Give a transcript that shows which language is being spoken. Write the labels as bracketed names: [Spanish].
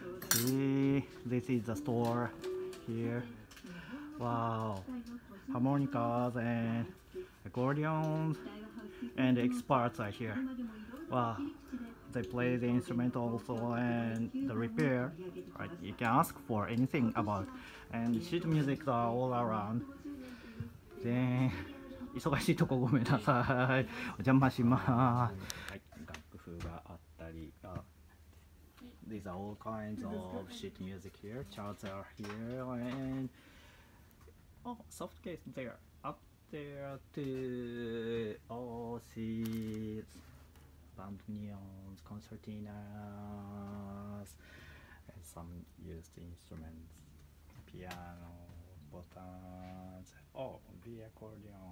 [English] See, this is the store here. Wow, harmonicas and accordions and experts are here. Wow, they play the instrument also, and the repair, right, you can ask for anything about. And sheet music are all around. [Japanese] 全員忙しいとこごめんなさい、お邪魔します、はい、楽譜があったり、あ [English] These are all kinds of sheet music here. Charts are here and oh, soft case there, up there too. Oh, seats, band neons, concertinas, and some used instruments, piano, buttons, oh, the accordions.